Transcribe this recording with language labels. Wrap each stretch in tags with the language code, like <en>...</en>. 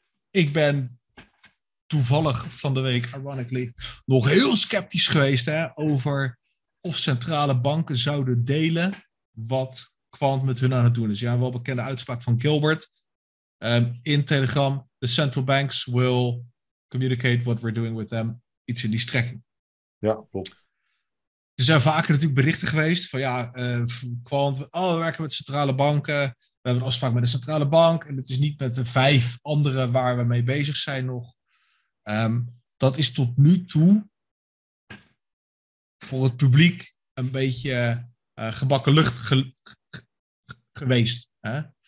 <nl>Ik ben toevallig van de week, ironically, nog heel sceptisch geweest, hè, over of centrale banken zouden delen wat Quant met hun aan het doen is. Ja, wel bekende uitspraak van Gilbert in Telegram.</nl> <en>The central banks will communicate what we're doing with them.</en> <nl>Iets in die strekking. Ja, klopt. Er zijn vaker natuurlijk berichten geweest van Quant, we werken met centrale banken. We hebben een afspraak met de centrale bank. En het is niet met de vijf anderen waar we mee bezig zijn nog. Dat is tot nu toe voor het publiek een beetje gebakken lucht geweest. Hè?</nl>